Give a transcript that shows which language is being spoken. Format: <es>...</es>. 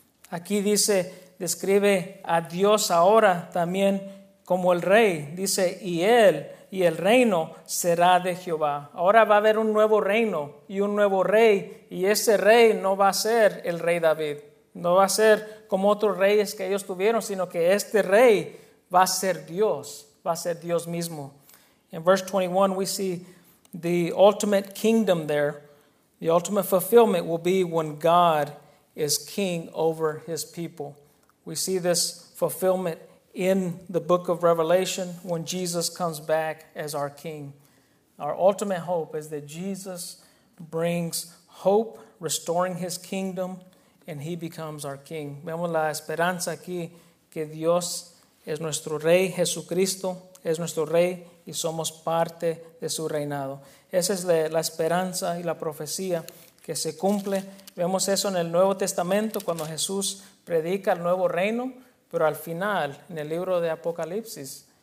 <es>Aquí dice, describe a Dios ahora también como el rey. Dice, y él y el reino será de Jehová. Ahora va a haber un nuevo reino y un nuevo rey. Y ese rey no va a ser el rey David. No va a ser como otros reyes que ellos tuvieron. Sino que este rey va a ser Dios. Va a ser Dios mismo.</es> <en>In verse 21 we see the ultimate kingdom there. The ultimate fulfillment will be when God is king over his people. We see this fulfillment in the book of Revelation, when Jesus comes back as our King. Our ultimate hope is that Jesus brings hope, restoring his kingdom, and he becomes our King.</en> <es>Vemos la esperanza aquí que Dios es nuestro Rey, Jesucristo es nuestro Rey, y somos parte de su reinado. Esa es la esperanza y la profecía que se cumple. Vemos eso en el Nuevo Testamento cuando Jesús predica el nuevo reino. Pero al final, en el libro de Apocalipsis,</es>